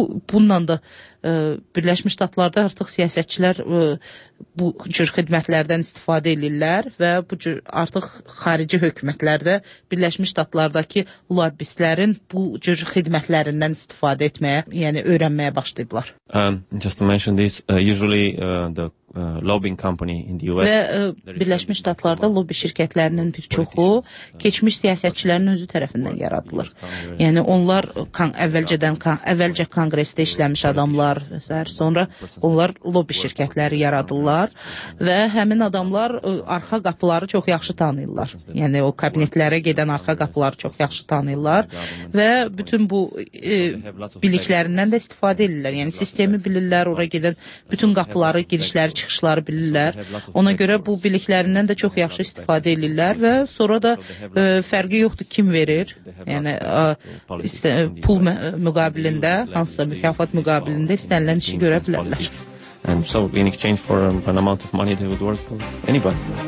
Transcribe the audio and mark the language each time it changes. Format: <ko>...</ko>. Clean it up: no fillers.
<az>Bununla da Birləşmiş Ştatlarda artıq siyasətçilər bu cür xidmətlərdən istifadə edirlər və bu cür artıq xarici hökumətlərdə Birləşmiş Ştatlardakı lobbistlərin bu cür xidmətlərindən istifadə etməyə, yəni öyrənməyə başlayıblar.</az> <en>Just to mention this, usually the lobbying company in the US.</en> <az>Və Birləşmiş Ştatlarda lobby şirkətlərinin bir çoxu keçmiş siyasətçilərin özü tərəfindən yaradılır. Yəni onlar əvvəlcə Kongresdə işləmiş adamlar və s. sonra onlar lobby şirkətləri yaradırlar və həmin adamlar arxa qapıları çox yaxşı tanıyırlar. Yəni o kabinetlərə gedən arxa qapıları çox yaxşı tanıyırlar və bütün bu biliklərindən də istifadə edirlər. Yəni sistemi bilirlər, ora gedən bütün qapıları, girişlər çıxışları bilirlər. Ona görə bu biliklərindən də çox yaxşı istifadə edirlər və sonra da fərqi yoxdur kim verir. Yəni pul müqabilində, hansısa mükafat müqabilində istənilən işi görə bilərlər.</az> <en>And so in exchange for an amount of money they would work for anybody.</en>